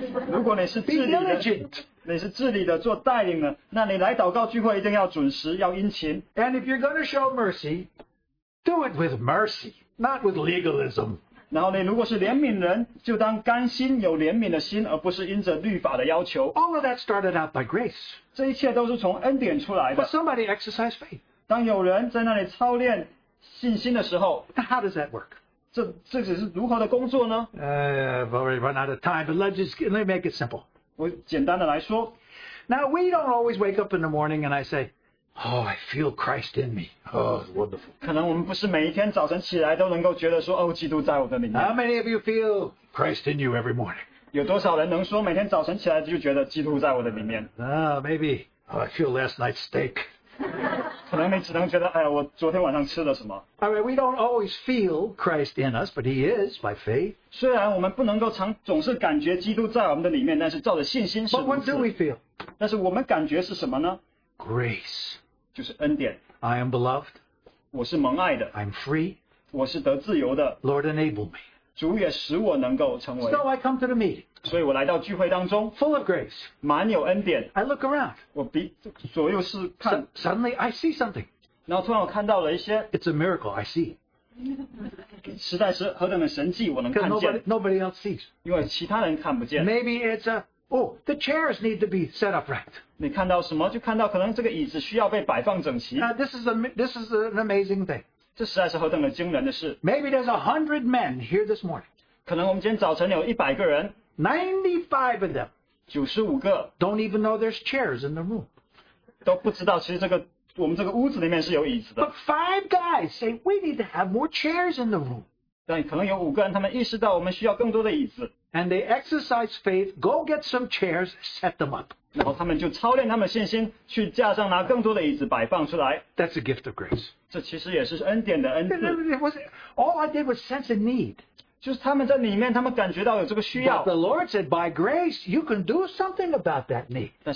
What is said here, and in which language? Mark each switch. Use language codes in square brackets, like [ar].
[zh] 如果你是治理的，你是治理的做带领的，那你来祷告聚会一定要准时，要殷勤。 [en] And if you're going to show mercy, do it with mercy, not with legalism. [zh] 然后呢，如果是怜悯人，就当甘心有怜悯的心，而不是因着律法的要求。 [en] All of that started out by grace. [zh] 这一切都是从恩典出来的。 [en] But somebody exercised faith. [zh] 当有人在那里操练信心的时候， [en] Now how does that work? [zh] 这只是如何的工作呢？ [en] I've already run out of time, but let me make it simple. [zh] 我简单的来说。 [en] Now we don't always wake up in the morning and I say, Oh, I feel Christ in me. Oh, it's wonderful. [zh] 可能我们不是每一天早晨起来都能够觉得说，哦，基督在我的里面。 [en] How many of you feel Christ in you every morning? [zh] 有多少人能说每天早晨起来就觉得基督在我的里面？ [en] Maybe. Oh, I feel last night's steak. [zh] 可能你只能觉得，哎呀，我昨天晚上吃了什么。 [en] I mean, we don't always feel Christ in us, but He is by faith. [zh] 虽然我们不能够总是感觉基督在我们的里面，但是照着信心是如此。 [en] But what do we feel? [zh] 但是我们感觉是什么呢？ [en] Grace. [zh] 就是恩典。 [en] I am beloved. [zh] 我是蒙爱的。 [en] I'm free. [zh] 我是得自由的。 [en] Lord, enable me. [zh] 主也使我能够成为。 [en] So I come to the meeting. [zh] 所以我来到聚会当中, [en] full of grace. [zh] 满有恩典, [en] I look around. [zh] 我左右是看, [en] suddenly I see something. [zh] 然后突然我看到了一些, [en] it's a miracle, I see. [zh] 实在是何等的神迹, 我能看见, [en] nobody else sees. [zh] 因为其他人看不见, [en] maybe it's a, oh, the chairs need to be set up right. [zh] 你看到什么, 就看到可能这个椅子需要被摆放整齐。 [en] Now, this is an amazing thing. [zh] 这实在是何等的惊人的事。 [en] Maybe there's 100 men here this morning. [zh] 可能我们今天早晨有100个人, [en] 95 of them [zh] 95个, [en] don't even know there's chairs in the room. [zh] 都不知道其实这个我们这个屋子里面是有椅子的。 [en] But five guys say we need to have more chairs in the room. [zh] 但可能有5个人他们意识到我们需要更多的椅子。 [en] And they exercise faith, go get some chairs, set them up. [zh] 然后他们就操练他们信心去架上拿更多的椅子摆放出来。 [en] That's a gift of grace. [zh] 这其实也是恩典的恩赐。 [en] All I did was sense a need. [zh] 就是他们在里面，他们感觉到有这个需要。 [en] But the Lord said, by grace, you can do something about that need.